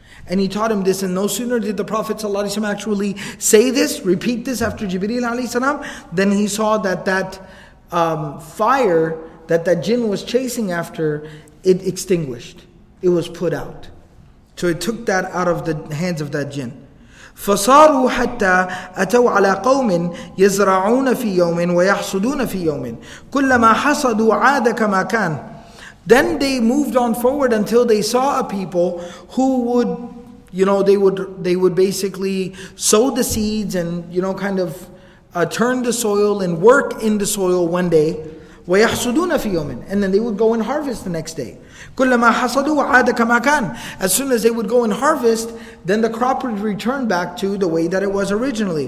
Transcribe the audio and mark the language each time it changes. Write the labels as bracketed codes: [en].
[en] And he taught him this, and no sooner did the Prophet ﷺ actually say this, repeat this after Jibreel alayhi salam, then he saw that fire that jinn was chasing after, it extinguished. It was put out. So it took that out of the hands of that jinn. [ar] فصاروا حتى أتوا على قوم يزرعون في يوم ويحصدون في يوم كلما حصدوا عاد كما كان. [en] Then they moved on forward until they saw a people who would, you know, they would basically sow the seeds and, you know, kind of turn the soil and work in the soil one day. [ar] وَيَحْصُدُونَ فِي يَوْمٍ, [en] and then they would go and harvest the next day. [ar] كُلَّمَا حَصَدُوا عَادَ كَمَا كَانَ, [en] as soon as they would go and harvest, then the crop would return back to the way that it was originally.